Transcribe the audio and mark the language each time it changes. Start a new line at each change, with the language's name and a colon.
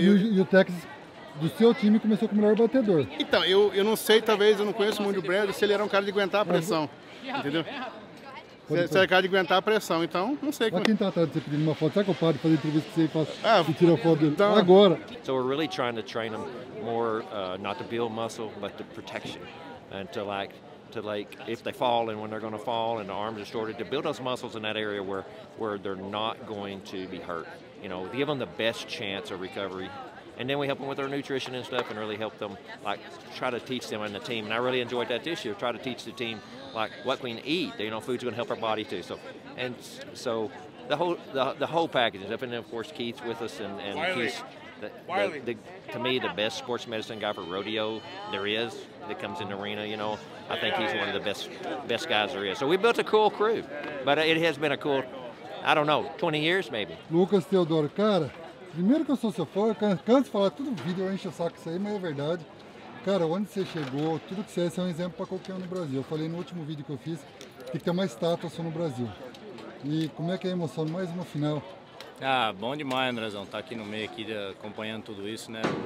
Portuguese: e o Texas do seu time começou com o melhor batedor. Então, eu não sei, talvez, eu não conheço muito o Bradley, se ele era um cara de aguentar a pressão, entendeu? Você é cara de aguentar a pressão, então não sei. Mas quem tá atrás de você pedindo uma foto, será que eu paro de fazer entrevista que você faz e tira a foto dele então, agora?
English: So we're really trying to train him more, not to build muscle, but to protection. And to like if they fall and when they're going to fall and the arms are distorted, to build those muscles in that area where they're not going to be hurt. You know, give them the best chance of recovery. And then we help them with their nutrition and stuff and really help them, like, try to teach them on the team. And I really enjoyed that this year, try to teach the team, like, what we can eat. You know, food's going to help our body, too. So the whole package is up. And then, of course, Keith's with us. And Wiley. He's, to me, the best sports medicine guy for rodeo there is that comes in the arena, you know. I think he's one of the best guys there is. So we built a cool crew. But it has been a cool, I don't know, 20 years, maybe.
Portuguese: Lucas Teodoro, cara. Primeiro que eu sou seu fã, eu canso de falar tudo vídeo, eu encho o saco isso aí, mas é verdade. Cara, onde você chegou, tudo que você é um exemplo para qualquer um no Brasil. Eu falei no último vídeo que eu fiz, tem que ter uma estátua só no Brasil. E como é que é a emoção, mais uma final? Ah, bom demais, Andrezão, tá aqui no meio, aqui acompanhando tudo isso, né?